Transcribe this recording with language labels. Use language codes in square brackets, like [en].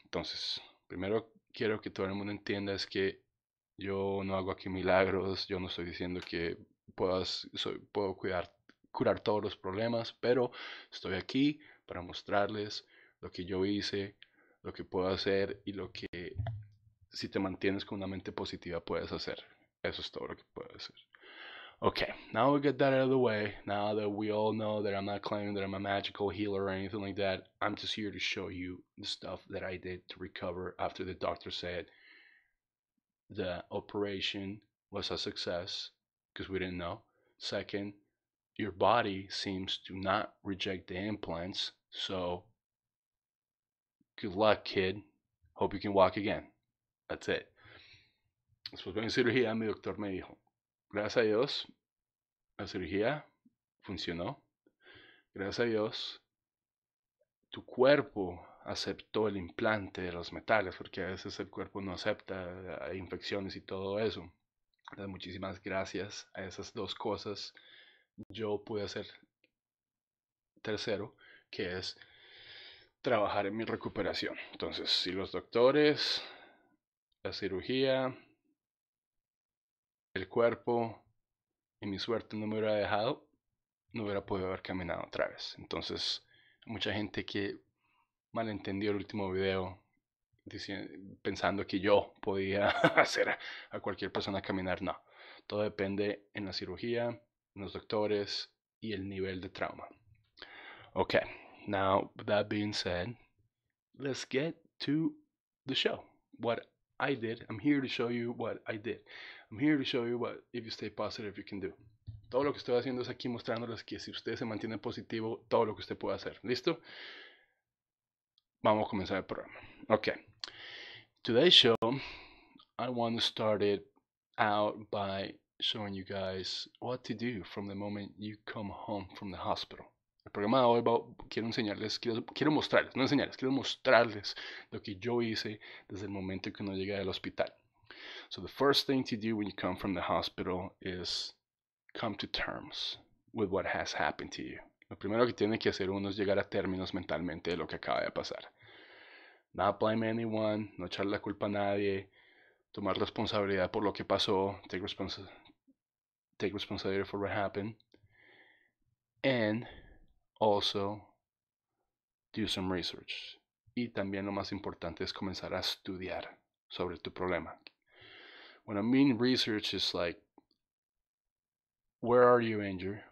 [es] Entonces, primero quiero que todo el mundo entienda es que yo no hago aquí milagros, yo no estoy diciendo que puedo curar todos los problemas, pero estoy aquí para mostrarles lo que yo hice, lo que puedo hacer y lo que, si te mantienes con una mente positiva, puedes hacer. Eso es todo lo que puedo hacer. [en] Okay, now we get that out of the way. Now that we all know that I'm not claiming that I'm a magical healer or anything like that, I'm just here to show you the stuff that I did to recover after the doctor said the operation was a success, because we didn't know. Second, your body seems to not reject the implants, so good luck, kid. Hope you can walk again. That's it. [es] Después de mi cirugía, mi doctor me dijo, gracias a Dios, la cirugía funcionó. Gracias a Dios, tu cuerpo aceptó el implante de los metales, porque a veces el cuerpo no acepta, hay infecciones y todo eso. Entonces, muchísimas gracias a esas dos cosas. Yo pude hacer tercero, que es trabajar en mi recuperación. Entonces, si los doctores, la cirugía, el cuerpo y mi suerte no me hubiera dejado, no hubiera podido haber caminado otra vez. Entonces, mucha gente que malentendió el último video pensando que yo podía hacer a cualquier persona caminar. No, todo depende en la cirugía, en los doctores y el nivel de trauma. [en] Ok, now that being said, let's get to the show. What I did, I'm here to show you what I did. I'm here to show you what, if you stay positive, you can do. [es] Todo lo que estoy haciendo es aquí mostrándoles que si usted se mantiene positivo, todo lo que usted puede hacer. ¿Listo? Vamos a comenzar el programa. Ok. [en] Today's show, I want to start it out by showing you guys what to do from the moment you come home from the hospital. [es] El programa de hoy quiero mostrarles lo que yo hice desde el momento que uno llega al hospital. [en] So the first thing to do when you come from the hospital is come to terms with what has happened to you. [es] Lo primero que tiene que hacer uno es llegar a términos mentalmente de lo que acaba de pasar. [en] Not blame anyone, [es] no echarle la culpa a nadie, tomar responsabilidad por lo que pasó, [en] take responsibility for what happened, and also do some research. [es] Y también lo más importante es comenzar a estudiar sobre tu problema. [en] When I mean research is like, where are you injured?